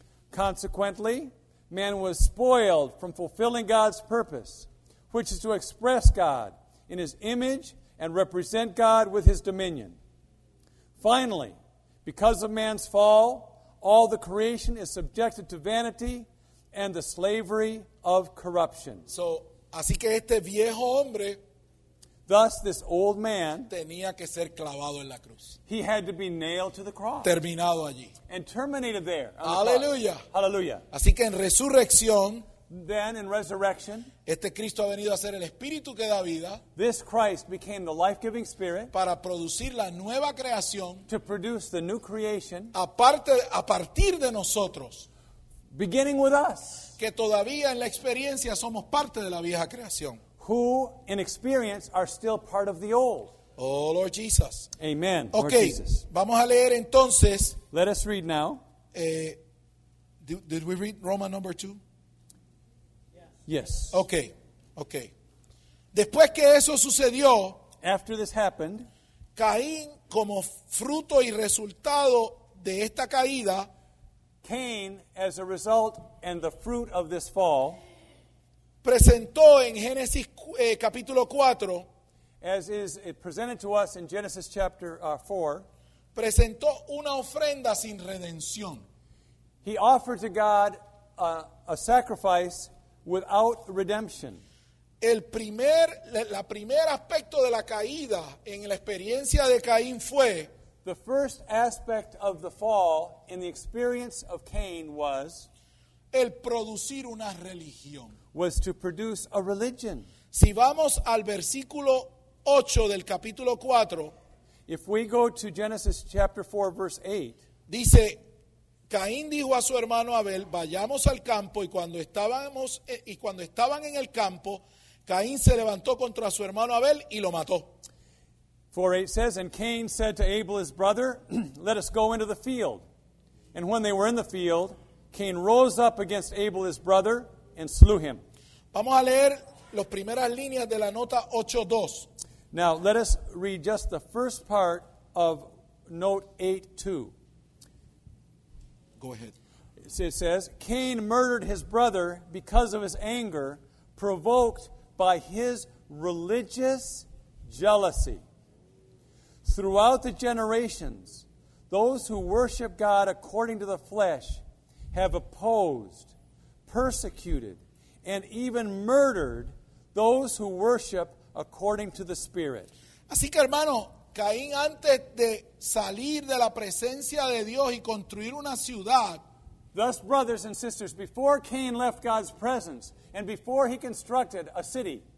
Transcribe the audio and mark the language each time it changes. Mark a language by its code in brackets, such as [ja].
[en] Consequently, man was spoiled from fulfilling God's purpose, which is to express God in his image and represent God with his dominion. Finally, because of man's fall, all the creation is subjected to vanity and the slavery of corruption. [es] So, así que este viejo hombre, [en] thus this old man, [es] tenía que ser clavado en la cruz. [en] He had to be nailed to the cross. [es] Terminado allí. [en] And terminated there. [es] Aleluya. [en] The Hallelujah. [es] Así que en resurrección, [en] then in resurrection, [es] este Cristo ha venido a ser el espíritu que da vida. [en] This Christ became the life-giving spirit, [es] para producir la nueva creación, [en] to produce the new creation, [es] a partir de nosotros, [en] beginning with us, [es] que todavía en la experiencia somos parte de la vieja creación, [en] who in experience are still part of the old. Oh, Lord Jesus. Amen. Okay, Lord Jesus. [es] Vamos a leer entonces. [en] Let us read now. Did we read Roman number 2? Yes. Okay. [es] Después que eso sucedió, [en] after this happened, [es] Caín, como fruto y resultado de esta caída, [en] Cain, as a result and the fruit of this fall, [es] presentó en Génesis capítulo 4, [en] as is presented to us in Genesis chapter 4, [es] presentó una ofrenda sin redención. [en] He offered to God a sacrifice without redemption. [es] La primer aspecto de la caída en la experiencia de Caín fue, [en] the first aspect of the fall in the experience of Cain was, [es] el producir una religión, [en] was to produce a religion. [es] Si vamos al versículo 8 del capítulo 4, [en] if we go to Genesis chapter 4 verse 8, [es] dice, Caín dijo a su hermano Abel, vayamos al campo, y cuando estaban en el campo, Caín se levantó contra su hermano Abel y lo mató. [en] 4:8 says, and Cain said to Abel his brother, let us go into the field. And when they were in the field, Cain rose up against Abel his brother and slew him. [es] Vamos a leer las primeras líneas de la nota 8:2. [en] Now let us read just the first part of note 8:2. Go ahead. It says, Cain murdered his brother because of his anger, provoked by his religious jealousy. Throughout the generations, those who worship God according to the flesh have opposed, persecuted, and even murdered those who worship according to the Spirit. [es] Así que, hermano, Caín, antes de salir de la presencia de Dios y construir una ciudad, [en] thus, brothers and sisters, before Cain left God's presence and before he constructed a city,